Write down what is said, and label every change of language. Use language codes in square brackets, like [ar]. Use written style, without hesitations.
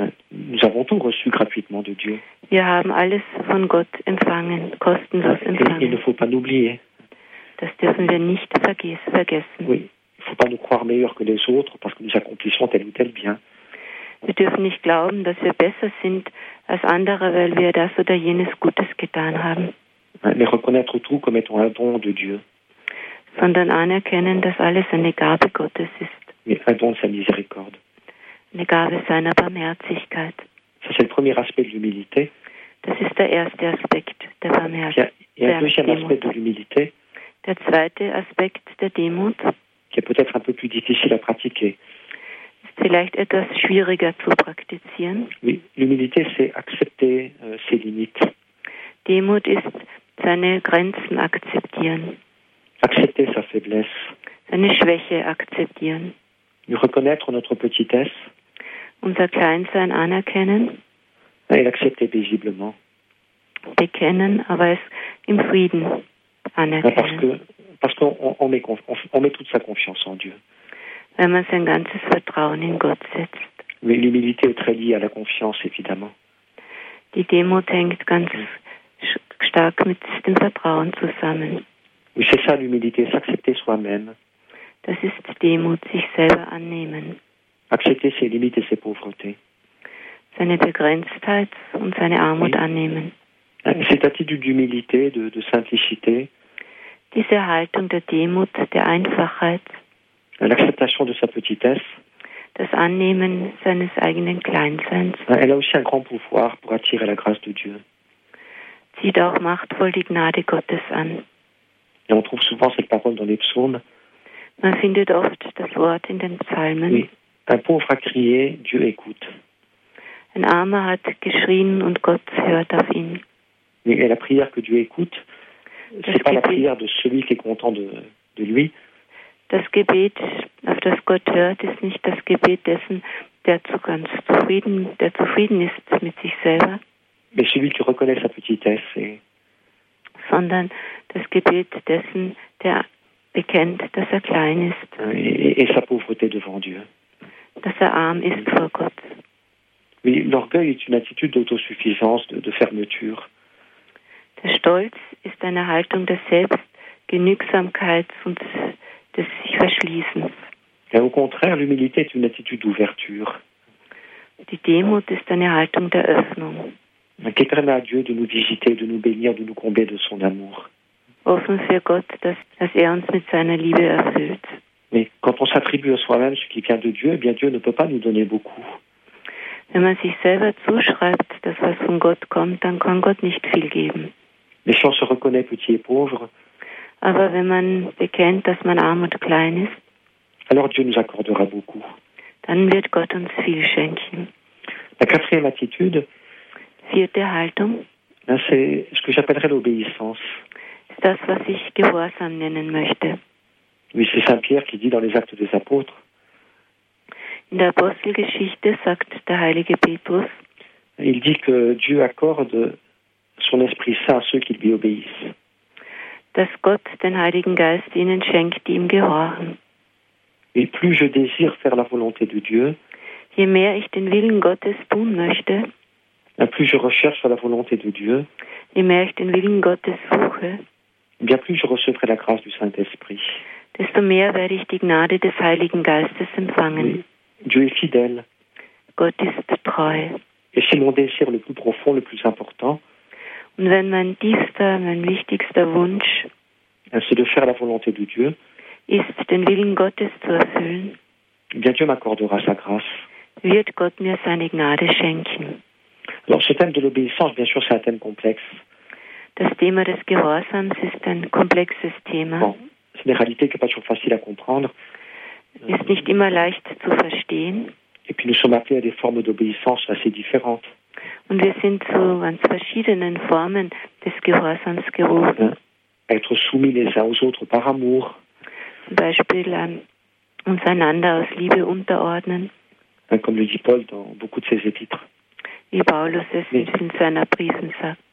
[fr] Nous avons tout reçu gratuitement de Dieu. [de] Wir haben alles von Gott empfangen, kostenlos empfangen. [fr] Il ne faut pas l'oublier. [de] Das dürfen wir nicht vergessen. [fr] Oui. Il ne faut pas nous croire meilleurs que les autres parce que nous accomplissons tel ou tel bien. [de] Wir dürfen nicht glauben, dass wir besser sind als andere, weil wir das oder jenes Gutes getan haben. [fr] Mais reconnaître tout comme étant un don de Dieu. [de] Sondern anerkennen, dass alles eine Gabe Gottes ist. [fr] Mais un don de sa miséricorde. [de] Eine Gabe seiner Barmherzigkeit. [fr] Ça, c'est le premier aspect de l'humilité. [de] Das ist der erste Aspekt der Barmherzigkeit. Der zweite Aspekt der Demut. [fr] Qui est peut-être un peu plus difficile à pratiquer. [de] Vielleicht etwas schwieriger zu praktizieren. [fr] Oui, l'humilité, c'est accepter ses limites. [de] Demut ist seine Grenzen akzeptieren. [fr] Accepter sa faiblesse. [de] Seine Schwäche akzeptieren. [fr] Et reconnaître notre petitesse. [de] Unser Kleinsein anerkennen. [fr] Et accepter paisiblement. [de] Bekennen, aber es im Frieden anerkennen. [fr] Parce qu'on met toute sa confiance en Dieu. [de] Wenn man sein ganzes Vertrauen in Gott setzt. [fr] Mais l'humilité est très liée à la confiance, évidemment. [de] Die Demut hängt ganz stark mit dem Vertrauen zusammen. [fr] Oui, c'est ça l'humilité, s'accepter soi-même. [de] Das ist Demut, sich selber annehmen. [fr] Accepter ses limites et ses pauvretés. [de] Seine Begrenztheit und seine Armut [fr] oui. [de] annehmen. [fr] Cette attitude d'humilité, de simplicité. [de] Diese Haltung der Demut, der Einfachheit. [fr] L'acceptation de sa petitesse. [de] Das Annehmen seines eigenen Kleinseins. [fr] Elle a aussi un grand pouvoir pour attirer la grâce de Dieu. [de] Zieht auch machtvoll die Gnade Gottes an. [fr] Et on trouve souvent cette parole dans les psaumes. [de] Man findet oft das Wort in den Psalmen. [fr] Oui. Un pauvre a crié, Dieu écoute. [de] Ein Armer hat geschrien und Gott hört auf ihn. [fr] Et la prière que Dieu écoute. C'est pas la prière de celui qui est content de lui. [de] Das Gebet, auf das Gott hört, ist nicht das Gebet dessen, der zufrieden ist mit sich selber. [fr] Mais celui qui reconnaît sa petitesse. Et... [de] Sondern das Gebet dessen, der bekennt, dass er klein ist. [fr] Et sa pauvreté devant Dieu. [de] Dass er arm ist vor Gott. [fr] Oui, l'orgueil est une attitude d'autosuffisance, de fermeture. [de] Der Stolz ist eine Haltung der Selbstgenügsamkeit und des Sichverschließens. [fr] Et au contraire, l'humilité est une attitude d'ouverture. [de] Die Demut ist eine Haltung der Öffnung. [fr] Qui permet à Dieu de nous visiter, de nous bénir, de nous combler de son amour. [de] Offen für Gott, dass er uns mit seiner Liebe erfüllt. [fr] Mais quand on s'attribue à soi-même ce qui vient de Dieu, eh bien Dieu ne peut pas nous donner beaucoup. [de] Wenn man sich selber zuschreibt, dass was von Gott kommt, dann kann Gott nicht viel geben. [fr] Mais si on se reconnaît petit et pauvre, [de] Aber wenn man bekennt, dass man arm und klein ist, [fr] alors Dieu nous accordera beaucoup. [de] Dann wird Gott uns viel schenken. [fr] La quatrième attitude, [de] vierte Haltung, [fr] c'est ce que j'appellerais l'obéissance. [de] Ist das, was ich Gehorsam nennen möchte. [fr] Oui, c'est Saint-Pierre qui dit dans les Actes des Apôtres. [de] In der Apostelgeschichte sagt der heilige Petrus, [fr] il dit que Dieu accorde son Esprit Saint à ceux qui lui obéissent. [de] Dass Gott den Heiligen Geist ihnen schenkt, die ihm gehorchen. [fr] Et plus je désire faire la volonté de Dieu, [de] je mehr ich den Willen Gottes tun möchte, [fr] plus je recherche la volonté de Dieu, [de] je mehr ich den Willen Gottes suche, [fr] bien plus je recevrai la grâce du Saint-Esprit, [de] desto mehr werde ich die Gnade des Heiligen Geistes empfangen. [fr] Oui. Dieu est fidèle. [de] Gott ist treu. [fr] Et c'est mon désir le plus profond, le plus important, [de] und wenn mein tiefster, mein wichtigster Wunsch, [fr] c'est de faire la volonté de Dieu, [de] ist, den Willen Gottes zu erfüllen, [fr] bien Dieu m'accordera sa grâce. [de] Wird Gott mir seine Gnade schenken. [fr] Alors, ce thème de l'obéissance, bien sûr, c'est un thème complexe. [de] Das Thema des Gehorsams ist ein komplexes Thema. [fr] Bon, c'est une réalité qui n'est pas toujours facile à comprendre. [de] Ist nicht immer leicht zu verstehen. [fr] Et puis nous sommes appelés à des formes d'obéissance assez différentes. [de] Und wir sind zu ganz verschiedenen Formen des Gehorsams gerufen. [fr] Être soumis les uns aux autres par amour. [de] Zum Beispiel uns einander aus Liebe unterordnen. [fr] Comme le dit Paul dans beaucoup de ses épîtres. [de] Wie Paulus es in seiner Briefen sagt.